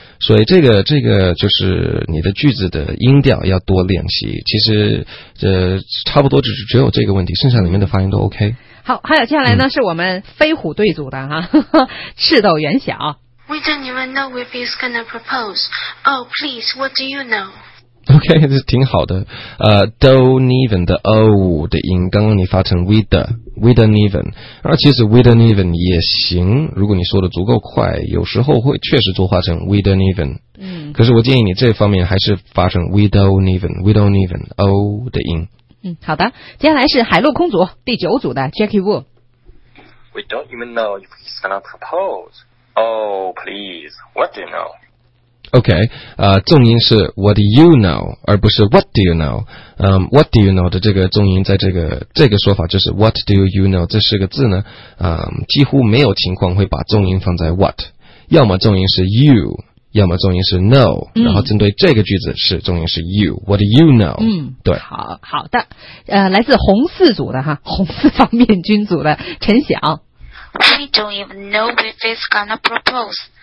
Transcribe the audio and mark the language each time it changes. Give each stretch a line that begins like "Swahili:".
Chinese: 所以这个就是你的句子的音调要多练习。其实这差不多只有这个问题，剩下里面的发音都 OK。好，还有接下来呢，是我们飞虎队组的哈，赤豆圆小。
English: We don't even know if he's gonna propose. Oh, please, what do you know?
Chinese: Okay, 这挺好的。
English: Don't even
Chinese: 的 O 的音，刚刚你发成
English: we don't even，
Chinese: 而其实 we don't even 也行，如果你说的足够快，有时候会确实浊化成 we don't even。可是我建议你这方面还是发成
English: we don't even
Chinese: O 的音。好的，接下来是海陆空组第九组的 Jackie Wu。
English: We don't even know if he's gonna propose. Oh, please, what do you know? Okay,
Chinese: 重音是
English: what do you know,
Chinese: 而不是
English: what do you know. What do you know
Chinese: 的这个重音在这个说法就是
English: what do you know,
Chinese: 这四个字呢，几乎没有情况会把重音放在 what, 要么重音是 you,要么重音是 no， 然后针对这个句子是重音是 you， what do you know？ 对，好的，来自红四组的哈，红四方面军组的陈晓。
English: We don't even know if he's gonna propose.